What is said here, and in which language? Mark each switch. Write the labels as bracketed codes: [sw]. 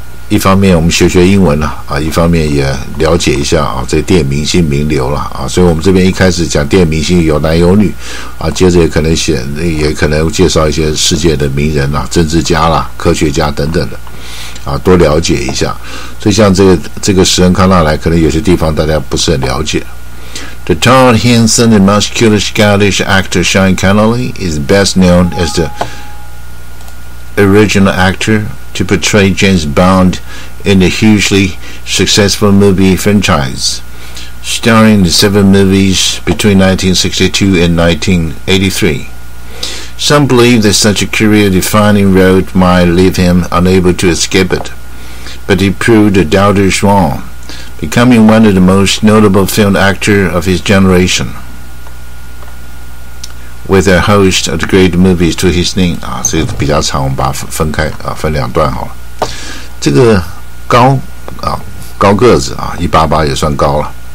[zh] 一方面我们学学英文啦、一方面也了解一下这电影明星名流啦、所以我们这边一开始讲电影明星有男有女啊，接着也可能介绍一些世界的名人啦、政治家啦、科学家等等的啊，多了解一下。所以像这个石恩康纳来，可能有些地方大家不是很了解。 [en] The tall, handsome, and muscular Scottish actor Sean Connery is best known as the original actor to portray James Bond in the hugely successful movie franchise. Starring in 7 movies between 1962 and 1983. Some believe that such a career-defining role might leave him unable to escape it, but he proved the doubters wrong. Becoming one of the most notable film actors of his generation, with a host of great movies to his name. [zh] 啊，这个比较长，我们把它分开啊，分两段好了。这个高个子啊，188也算高了。